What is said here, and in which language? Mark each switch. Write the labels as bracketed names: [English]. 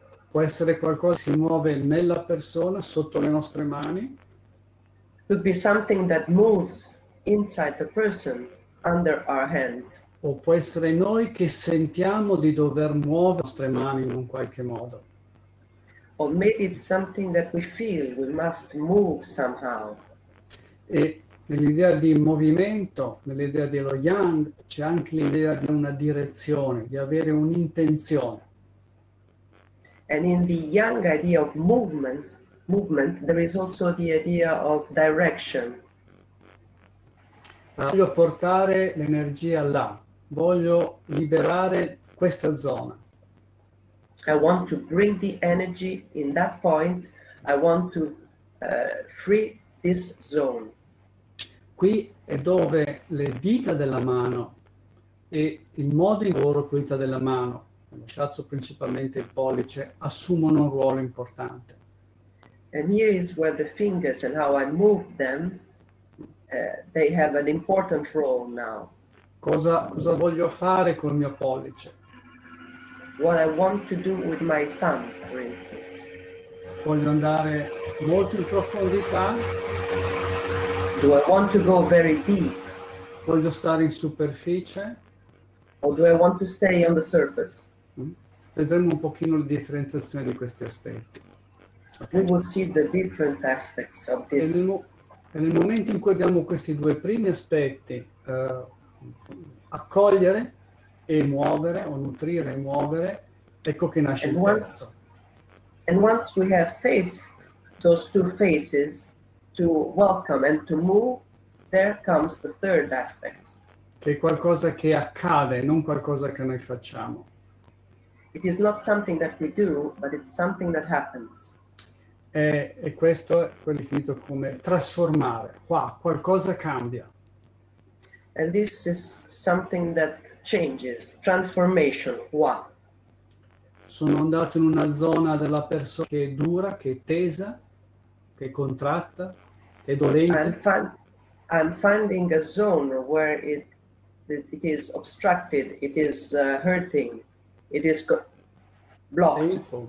[Italian] Può essere qualcosa che si muove nella persona, sotto le nostre mani. [English] Could be something that moves inside the person, under our hands. [Italian] O può essere noi che sentiamo di dover muovere le nostre mani in un qualche modo. [English] Or maybe it's something that we feel we must move somehow. [Italian] E nell'idea di movimento, nell'idea dello yang, c'è anche l'idea di una direzione, di avere un'intenzione. [English] And in the yang idea of movement, there is also the idea of direction. [Italian] Voglio portare l'energia là. Voglio liberare questa zona. [English] I want to bring the energy in that point. I want to free this zone. [Italian] Qui è dove le dita della mano e il modo in cui lavoro con le dita della mano, lo shiatsu principalmente il pollice, assumono un ruolo importante. [English] And here is where the fingers and how I move them, they have an important role now. [Italian] Cosa voglio fare col mio pollice? [English] What I want to do with my thumb, for instance. [Italian] Voglio andare molto in profondità? [English] Do I want to go very deep? [Italian] Voglio stare in superficie? [English] Or do I want to stay on the surface? [Italian] Vedremo un pochino la differenziazione di questi aspetti. [English] Okay. We will see the different aspects of this. [Italian] Nel momento in cui abbiamo questi due primi aspetti, accogliere e muovere, o nutrire e muovere, ecco che nasce il terzo. [English] And once we have faced those two faces, to welcome and to move, there comes the third aspect. [Italian] Che è qualcosa che accade, non qualcosa che noi facciamo. [English] It is not something that we do, but it's something that happens. [Italian] E questo è quello definito come trasformare. Qua, qualcosa cambia. [English] And this is something that changes, transformation, qua. [Italian] Sono andato in una zona della persona che è dura, che è tesa, che è contratta. [English] I'm finding a zone where it is obstructed, it is hurting, it is blocked.